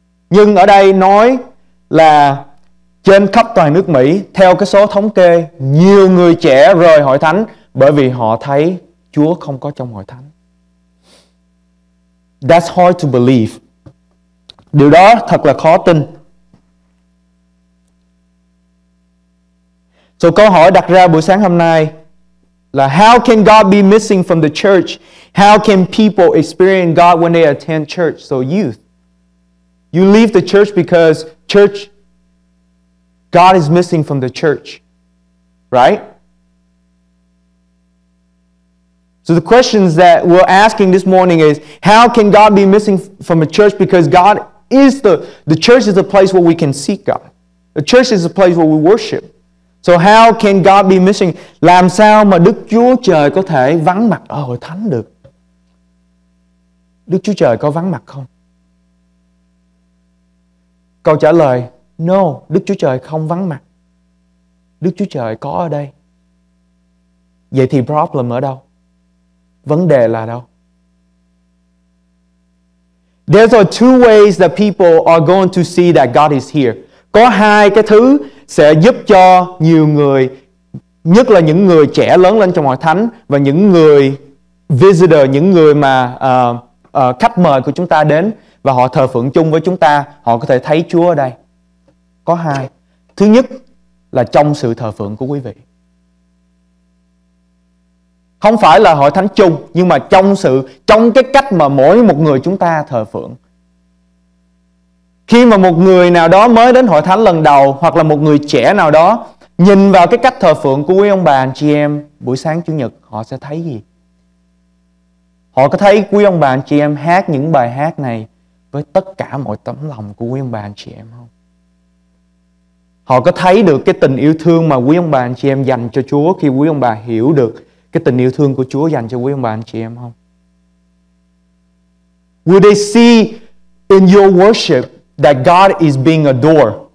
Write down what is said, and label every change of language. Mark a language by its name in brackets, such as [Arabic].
[Vietnamese] Nhưng ở đây nói là trên khắp toàn nước Mỹ, theo cái số thống kê, nhiều người trẻ rời hội thánh bởi vì họ thấy Chúa không có trong hội thánh. [English] That's hard to believe. [Vietnamese] Điều đó thật là khó tin. So câu hỏi đặt ra buổi sáng hôm nay là [English] how can God be missing from the church? How can people experience God when they attend church? So youth, you leave the church because church, God is missing from the church, right? So the questions that we're asking this morning is, how can God be missing from a church? Because God is the church is a place where we can seek God. The church is a place where we worship. So how can God be missing? [Vietnamese] Làm sao mà Đức Chúa Trời có thể vắng mặt ở hội thánh được? Đức Chúa Trời có vắng mặt không? Câu trả lời, no, Đức Chúa Trời không vắng mặt. Đức Chúa Trời có ở đây. Vậy thì problem ở đâu? Vấn đề là đâu? [English] There are two ways that people are going to see that God is here. [Vietnamese] Có hai cái thứ sẽ giúp cho nhiều người, nhất là những người trẻ lớn lên trong hội thánh và những người visitor, những người mà khách mời của chúng ta đến và họ thờ phượng chung với chúng ta, họ có thể thấy Chúa ở đây. Có hai. Thứ nhất là trong sự thờ phượng của quý vị. Không phải là hội thánh chung, nhưng mà trong cái cách mà mỗi một người chúng ta thờ phượng. Khi mà một người nào đó mới đến hội thánh lần đầu, hoặc là một người trẻ nào đó nhìn vào cái cách thờ phượng của quý ông bà, anh chị em buổi sáng Chủ nhật, họ sẽ thấy gì? Họ có thấy quý ông bà, anh chị em hát những bài hát này với tất cả mọi tấm lòng của quý ông bà, anh chị em không? Họ có thấy được cái tình yêu thương mà quý ông bà, anh chị em dành cho Chúa khi quý ông bà hiểu được cái tình yêu thương của Chúa dành cho quý ông bà, anh chị em không? [English] Will they see in your worship that God is being adored?